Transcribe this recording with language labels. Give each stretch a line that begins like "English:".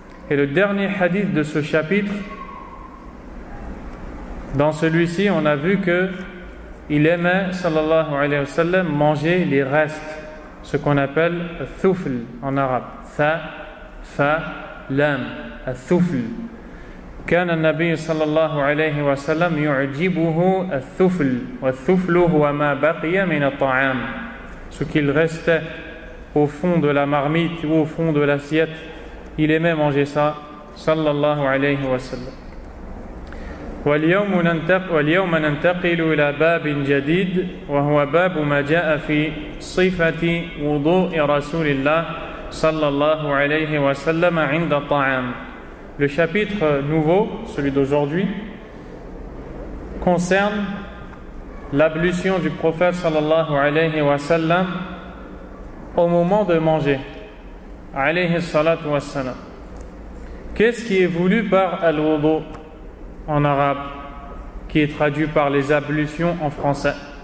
French: Et le dernier hadith de ce chapitre, dans celui-ci, on a vu que il aimait, sallallahu alayhi wa sallam, manger les restes, ce qu'on appelle thufl en arabe. Tha, fa, lam, thufl.
Arabic: كان النبي صلى الله عليه وسلم يعجبه الثفل والثفل هو ما بقي من الطعام.
French: Ce qu'il restait au fond de la marmite ou au fond de l'assiette, il aimait manger ça, صلى الله عليه وسلم.
Arabic: واليوم ننتقل إلى باب جديد وهو باب ما جاء في صفة وضوء رسول الله صلى الله عليه وسلم عند الطعام.
French: Le chapitre nouveau, celui d'aujourd'hui, concerne l'ablution du prophète sallallahu alayhi wa sallam au moment de manger. Alayhi salatu wa sallam. Qu'est-ce qui est voulu par al-wudu en arabe, qui est traduit par les ablutions en français?